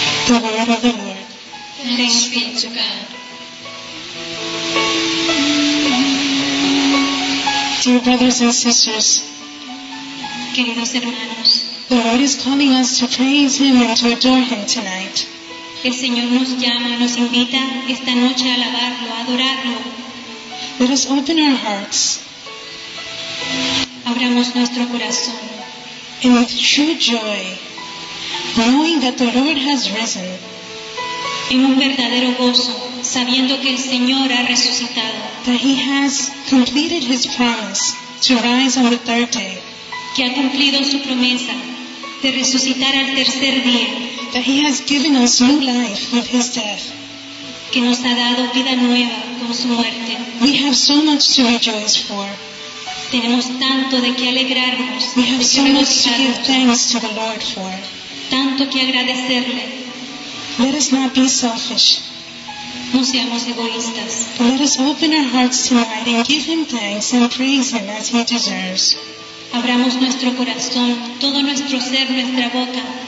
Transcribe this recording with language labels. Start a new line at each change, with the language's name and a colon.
English: The word of the Lord. Thanks be to God. Dear brothers and sisters,
Spanish: queridos hermanos,
English: the Lord is calling us to praise Him and to adore Him tonight.
Spanish: El Señor nos llama y nos invita esta noche a alabarlo, a adorarlo.
English: Let us open our hearts.
Spanish: Abramos nuestro corazón.
English: And with true joy, knowing that the Lord has risen.
Spanish: En un verdadero gozo, sabiendo que el Señor ha resucitado.
English: That He has completed His promise to rise on the third day.
Spanish: Que ha cumplido su promesa de resucitar al tercer día.
English: That He has given us new life with His death.
Spanish: Que nos ha dado vida nueva con su muerte.
English: We have so much to rejoice for.
Spanish: Tenemos tanto de qué alegrarnos.
English: We have so much to give thanks to the Lord for.
Spanish: Tanto que agradecerle.
English: Let us not be selfish.
Spanish: No seamos egoístas.
English: But let us open our hearts tonight and give Him thanks and praise Him as He deserves.
Spanish: Abramos nuestro corazón, todo nuestro ser, nuestra boca.